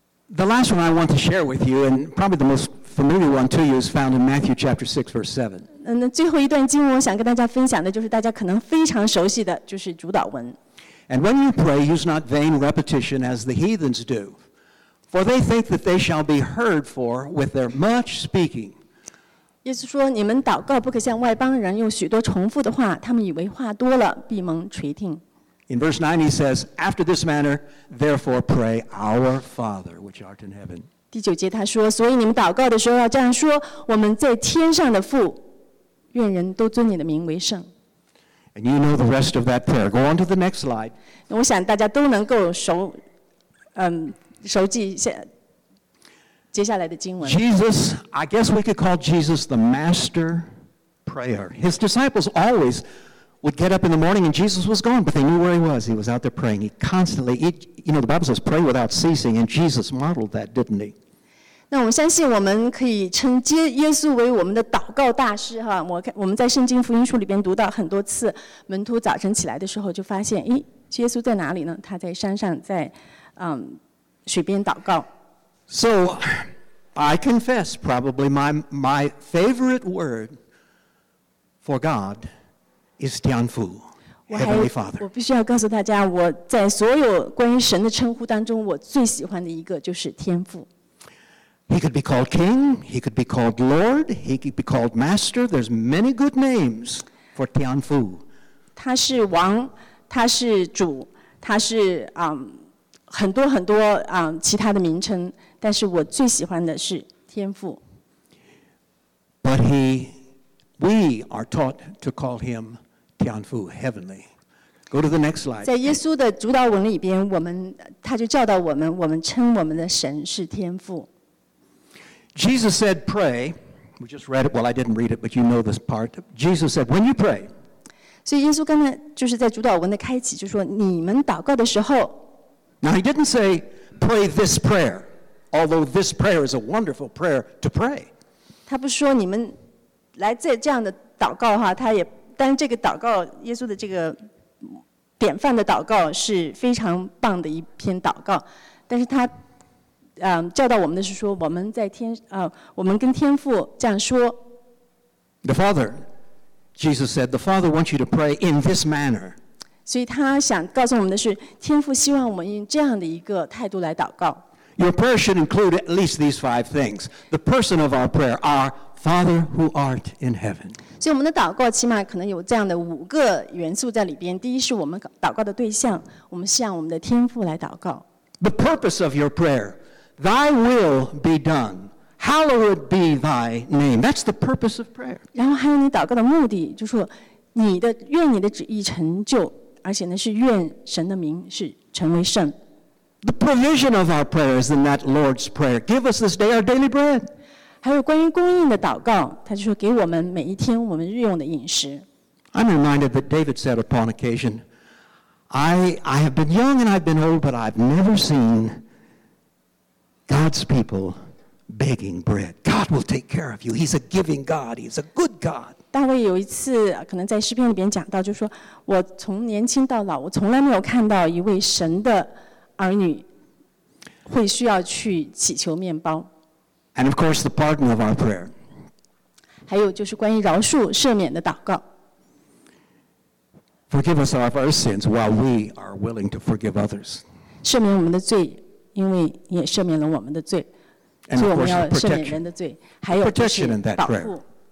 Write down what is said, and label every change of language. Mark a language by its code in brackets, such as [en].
[en] The last one I want to share with you, and probably the most familiar one to you, is found in Matthew chapter 6, verse 7. [zh] 那最后一段经文，我想跟大家分享的就是大家可能非常熟悉的就是主导文。 [en] And when you pray, use not vain repetition as the heathens do, for they think that they shall be heard for with their much speaking. [zh] 耶稣说：“你们祷告不可像外邦人用许多重复的话，他们以为话多了必蒙垂听。” [en] In verse 9 he says, "After this manner, therefore pray, Our Father, which art in heaven." [zh] 第九节他说：“所以你们祷告的时候要这样说：我们在天上的父，愿人都尊你的名为圣。” [en] And you know the rest of that prayer. Go on to the next slide. [zh] 我想大家都能够熟，熟记下。 [en] Jesus, I guess we could call Jesus the master prayer. His disciples always would get up in the morning and Jesus was gone, but they knew where he was. He was out there praying. He constantly, you know, the Bible says pray without ceasing, and Jesus modeled that, didn't he? [zh] 那我们相信我们可以称耶稣为我们的祷告大师哈。我们在圣经福音书里边读到很多次，门徒早晨起来的时候就发现，咦，耶稣在哪里呢？他在山上，在水边祷告。 [en] So, I confess probably my favorite word for God is Tianfu, Heavenly Father. [zh] 我必须要告诉大家，我在所有关于神的称呼当中，我最喜欢的一个就是天父。 [en] He could be called King, He could be called Lord, He could be called Master. There's many good names. for Tianfu. [zh] 他是王，他是主，他是很多很多其他的名称，但是我最喜欢的是天父。 [en] But we are taught to call him Tianfu, heavenly. Go to the next slide. [zh] 在耶稣的主导文里边，他就教导我们，我们称我们的神是天父。 [en] Jesus said, "Pray." We just read it. Well, I didn't read it, but you know this part. Jesus said, "When you pray." [zh] 所以耶稣刚才就是在主导文的开启，就说你们祷告的时候。 [en] Now he didn't say pray this prayer, although this prayer is a wonderful prayer to pray. [zh] 他不说你们来这样的祷告哈，他也但这个祷告，耶稣的这个典范的祷告是非常棒的一篇祷告，但是他。教导我们的是说，我们在天我们跟天父这样说。 [en] The Father, Jesus said, the Father wants you to pray in this manner. [zh] 所以他想告诉我们的是，天父希望我们用这样的一个态度来祷告。 [en] Your prayer should include at least these five things. The person of our prayer, our Father who art in heaven. [zh] 所以我们的祷告起码可能有这样的五个元素在里边。第一是我们祷告的对象，我们向我们的天父来祷告。 [en] The purpose of your prayer. Thy will be done. Hallowed be thy name. That's the purpose of prayer. [zh] 然后还有你祷告的目的，就是说你的愿你的旨意成就，而且呢是愿神的名是成为圣。 [en] The provision of our prayers in that Lord's prayer. Give us this day our daily bread. [zh] 还有关于供应的祷告，他就说给我们每一天我们日用的饮食。 [en] I'm reminded that David said upon occasion, I have been young and I've been old, but I've never seen. God's people begging bread. God will take care of you. He's a giving God. He's a good God. [zh] 大卫有一次可能在诗篇里边讲到，就是说我从年轻到老，我从来没有看到一位神的儿女会需要去祈求面包。 [en] And of course, the pardon of our prayer. [zh] 还有就是关于饶恕赦免的祷告。 [en] Forgive us of our sins, while we are willing to forgive others. [zh] 赦免我们的罪。因为你也赦免了我们的罪，所以我们要赦免人的罪，还有就是保护。